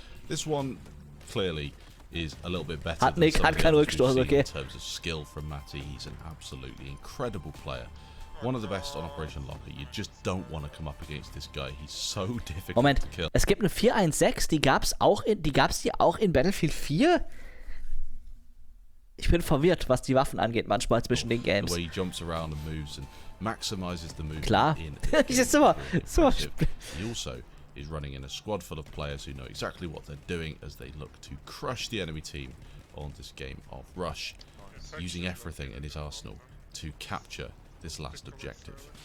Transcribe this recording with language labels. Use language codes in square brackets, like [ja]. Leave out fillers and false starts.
[en] This one clearly is a little bit better. [de] Hat Nick hat keinen Rückstoß, okay? [en] In terms of skill from Matty, he's an absolutely incredible player. One of the best on Operation Locker. You just don't want to come up against this guy. He's so difficult [de] Moment. [en] To kill. [de] Es gibt eine 416, die gab's auch in Battlefield 4? Ich bin verwirrt, was die Waffen angeht, manchmal zwischen den Games. [en] The way he jumps around and moves and maximizes the movement. [de] Klar. [en] He also is running in a squad full of players who know exactly what they're doing as they look to crush the enemy team on this game of Rush, using everything in his arsenal to capture this last objective.